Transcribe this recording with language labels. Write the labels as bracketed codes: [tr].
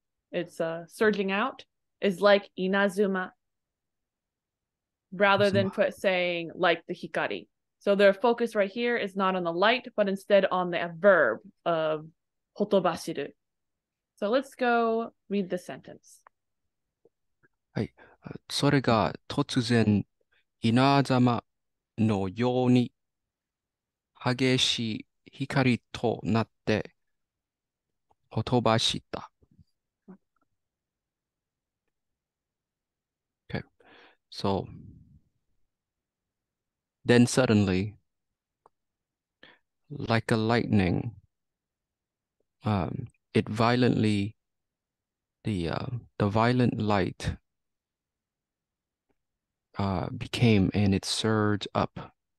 [en] it's surging out, is like Inazuma, rather than put saying like the hikari. So their focus right here is not on the light, but instead on the verb of hotobashiru. So let's go read the sentence. [ja] はい。それが突然稲妻のように激しい光となってほとばしった。 [en] Okay. So, then suddenly, like a lightning, it violently, the violent light became and it surged up.